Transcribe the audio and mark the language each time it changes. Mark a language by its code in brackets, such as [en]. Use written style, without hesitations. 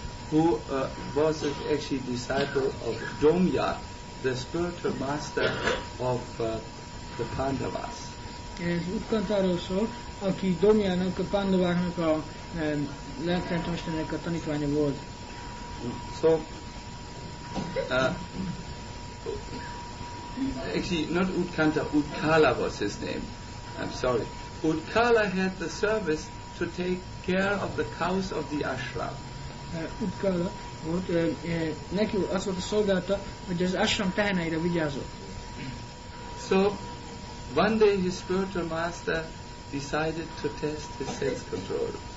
[en] Who was actually a disciple of Domya, the spiritual master of the Pandavas. [hu] Ez Utkantáról szól, aki Domjának, a Pandaváknak a lelkent mesternek a tanítványa volt. [en] So, actually not Utkanta, Utkala was his name. I'm sorry. Utkala had the service to take care of the cows of the ashram. [hu] Utkala volt, neki az volt a szolgálata, hogy az ashram teheneire vigyázott. [en] So, one day his spiritual master decided to test his sense control.